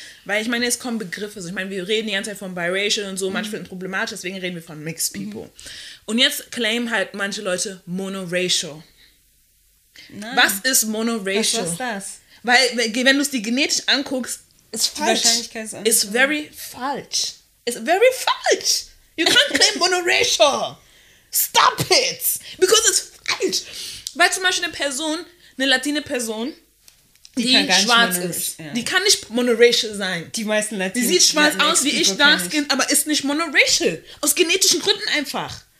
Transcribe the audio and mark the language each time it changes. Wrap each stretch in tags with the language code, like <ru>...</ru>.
<de>Weil ich meine, es kommen Begriffe. Also ich meine, wir reden die ganze Zeit von Biracial und so, manche finden es problematisch, deswegen reden wir von Mixed People. Mhm. Und jetzt claimen halt manche Leute Monoracial. Nein. Was ist Monoracial? Was ist das? Weil, wenn du es dir genetisch anguckst, ist falsch. Ist very falsch. Ist very falsch.</de> <en>You can't claim monoracial. Stop it. Because it's falsch.</en> <de>Weil zum Beispiel eine latine Person, die schwarz ist, die kann nicht monoracial sein. Die meisten Latinos. Die sieht schwarz aus wie ich, dark skin, aber ist nicht monoracial. Aus genetischen Gründen einfach.</de>